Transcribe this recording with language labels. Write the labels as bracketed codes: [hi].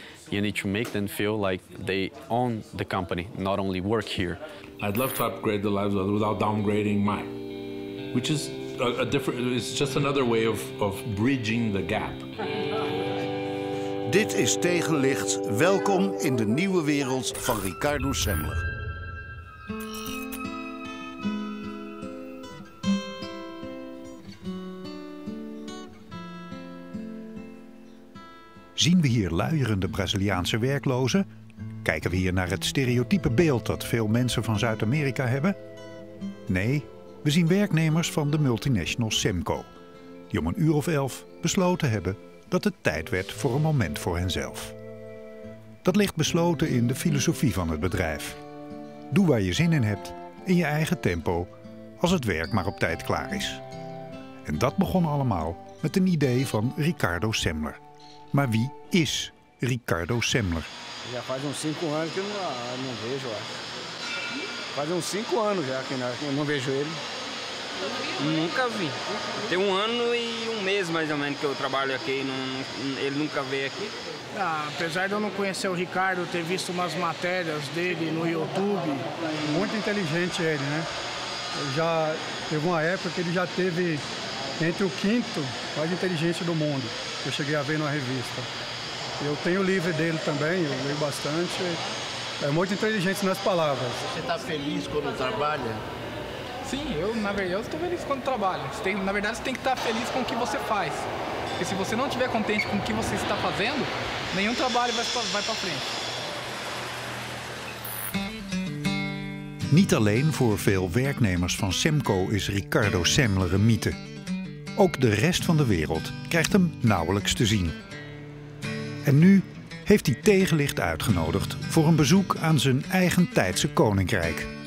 [en] You need to make them feel like they own the company, not only work here. I'd love to upgrade the lives without downgrading mine, which is a different, it's just another way of bridging the gap. [nl] Dit is Tegenlicht. Welkom in de nieuwe wereld van Ricardo Semler. Zien we hier luierende Braziliaanse werklozen? Kijken we hier naar het stereotype beeld dat veel mensen van Zuid-Amerika hebben? Nee, we zien werknemers van de multinational Semco, die om 11:00 besloten hebben dat het tijd werd voor een moment voor henzelf. Dat ligt besloten in de filosofie van het bedrijf. Doe waar je zin in hebt, in je eigen tempo, als het werk maar op tijd klaar is. En dat begon allemaal met een idee van Ricardo Semler. Maar wie is Ricardo Semler? [pt] Já faz uns 5 anos que eu não vejo, faz uns 5 anos já que eu não vejo ele. Nunca vi. Tem 1 ano e 1 mês mais ou menos que eu trabalho aqui. Ele nunca veio aqui. Ah, apesar de eu não conhecer o Ricardo, ter visto umas matérias dele no YouTube. Muito inteligente ele, né? Já teve uma época que ele já teve entre o 5º mais inteligente do mundo. Eu cheguei a ver numa revista. Eu tenho o livro dele também, eu leio bastante. É muito inteligente nas palavras. Você está feliz quando trabalha? Sim, eu, na verdade, eu estou feliz quando trabalho. Você tem, na verdade, você tem que estar feliz com o que você faz. Porque se você não estiver contente com o que você está fazendo, nenhum trabalho vai para frente. [nl] Niet alleen voor veel werknemers van Semco is Ricardo Semler een mythe. Ook de rest van de wereld krijgt hem nauwelijks te zien. En nu heeft hij Tegenlicht uitgenodigd voor een bezoek aan zijn eigentijdse koninkrijk.